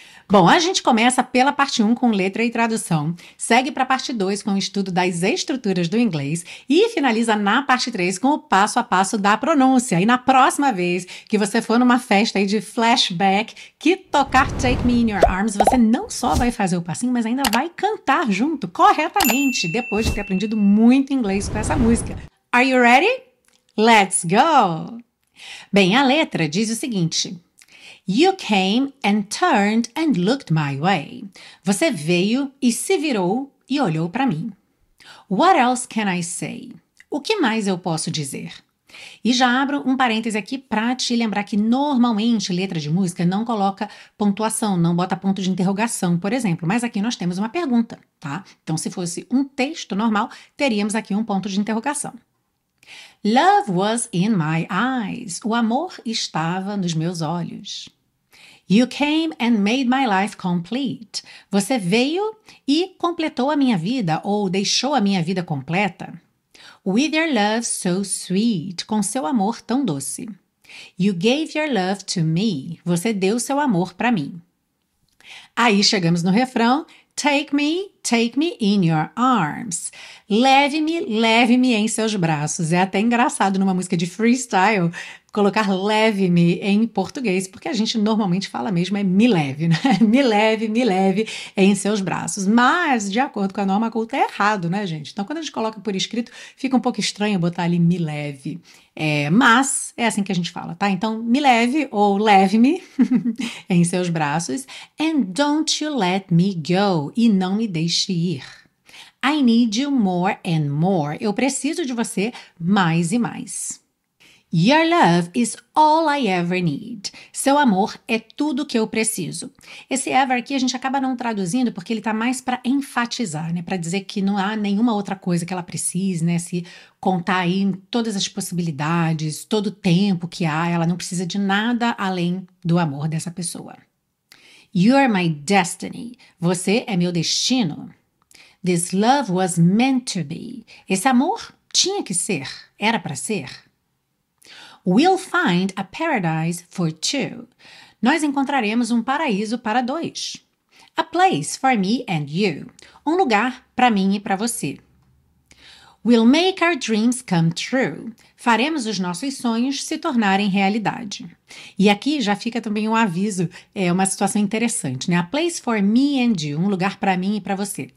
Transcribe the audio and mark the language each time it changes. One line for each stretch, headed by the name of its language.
Portuguese: Bom, a gente começa pela parte 1 com letra e tradução, segue para a parte 2 com o estudo das estruturas do inglês e finaliza na parte 3 com o passo a passo da pronúncia. E na próxima vez que você for numa festa aí de flashback, que tocar Take Me In Your Arms, você não só vai fazer o passinho, mas ainda vai cantar junto, corretamente, depois de ter aprendido muito inglês com essa música.
English: Are you ready? Let's go!
Portuguese: Bem, a letra diz o seguinte...
English: You came and turned and looked my way.
Portuguese: Você veio e se virou e olhou para mim.
English: What else can I say?
Portuguese: O que mais eu posso dizer? E já abro um parêntese aqui para te lembrar que normalmente letra de música não coloca pontuação, não bota ponto de interrogação, por exemplo. Mas aqui nós temos uma pergunta, tá? Então, se fosse um texto normal, teríamos aqui um ponto de interrogação.
English: Love was in my eyes.
Portuguese: O amor estava nos meus olhos.
English: You came and made my life complete.
Portuguese: Você veio e completou a minha vida ou deixou a minha vida completa.
English: With your love so sweet.
Portuguese: Com seu amor tão doce.
English: You gave your love to me.
Portuguese: Você deu seu amor para mim. Aí chegamos no refrão.
English: Take me in your arms.
Portuguese: Leve-me em seus braços. É até engraçado numa música de freestyle colocar leve-me em português, porque a gente normalmente fala mesmo é me leve, né? Me leve em seus braços. Mas, de acordo com a norma culta, é errado, né, gente? Então, quando a gente coloca por escrito, fica um pouco estranho botar ali me leve. É, mas, é assim que a gente fala, tá? Então, me leve ou leve-me em seus braços.
English: And don't you let me go.
Portuguese: E não me deixe ir.
English: I need you more and more.
Portuguese: Eu preciso de você mais e mais.
English: Your love is all I ever need.
Portuguese: Seu amor é tudo que eu preciso. Esse ever aqui a gente acaba não traduzindo porque ele tá mais para enfatizar, né? Para dizer que não há nenhuma outra coisa que ela precise, né? Se contar aí todas as possibilidades, todo o tempo que há, ela não precisa de nada além do amor dessa pessoa.
English: You are my destiny.
Portuguese: Você é meu destino.
English: This love was meant to be.
Portuguese: Esse amor tinha que ser, era para ser.
English: We'll find a paradise for two.
Portuguese: Nós encontraremos um paraíso para dois.
English: A place for me and you.
Portuguese: Um lugar para mim e para você.
English: We'll make our dreams come true.
Portuguese: faremos os nossos sonhos se tornarem realidade. E aqui já fica também um aviso, é uma situação interessante, né?
English: A place for me and you,
Portuguese: um lugar para mim e para você.